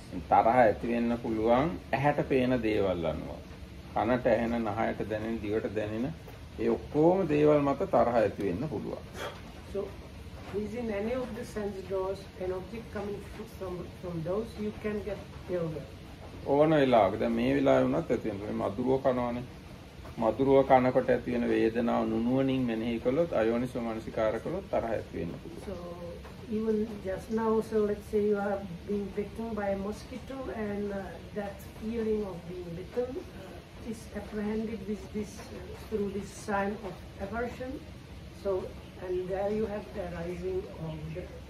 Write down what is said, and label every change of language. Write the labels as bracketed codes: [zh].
[si] තරහ ඇති වෙන්න පුළුවන් ඇහැට පේන දේවල් අනුව. කනට ඇහෙන, නහයට දැනෙන, දිවට දැනෙන ඒ ඔක්කොම දේවල් මත තරහ ඇති වෙන්න පුළුවන්. [en] So is in any of the sense doors an object coming from those you can get killed. [si] ඕන වෙලාවක දැන් මේ වෙලාවේ වුණත් ඇති වෙනවා. මේ මදුරුව කනවනේ. මදුරුව කනකොට ඇති වෙන වේදනාව නුනුවණින් මෙනෙහි කළොත් අයෝනිසෝ මනසිකාර කළොත් තරහ ඇති වෙන්න පුළුවන්. [en] Even just now, so let's say you are being bitten by a mosquito and that feeling of being bitten is apprehended with this through this sign of aversion. So, and there you have the arising of the